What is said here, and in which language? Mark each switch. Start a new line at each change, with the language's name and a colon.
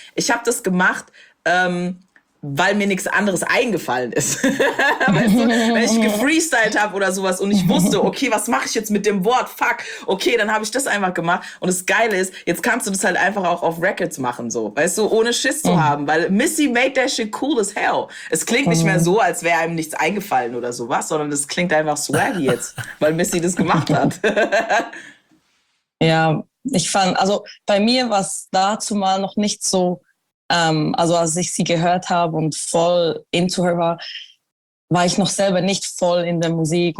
German: Ich habe das gemacht, weil mir nichts anderes eingefallen ist. Weißt du, wenn ich gefreestylt habe oder sowas und ich wusste, okay, was mache ich jetzt mit dem Wort? Fuck, okay, dann habe ich das einfach gemacht. Und das Geile ist, jetzt kannst du das halt einfach auch auf Records machen, so, weißt du, ohne Schiss zu haben. Weil
English: Missy made that shit cool as hell.
German: Es klingt nicht mehr so, als wäre einem nichts eingefallen oder sowas, sondern es klingt einfach swaggy jetzt, weil Missy das gemacht hat. Ja, ich fand, also bei mir war es dazu mal noch nicht so. Also als ich sie gehört habe und voll
English: into her
German: war, war ich noch selber nicht voll in der Musik.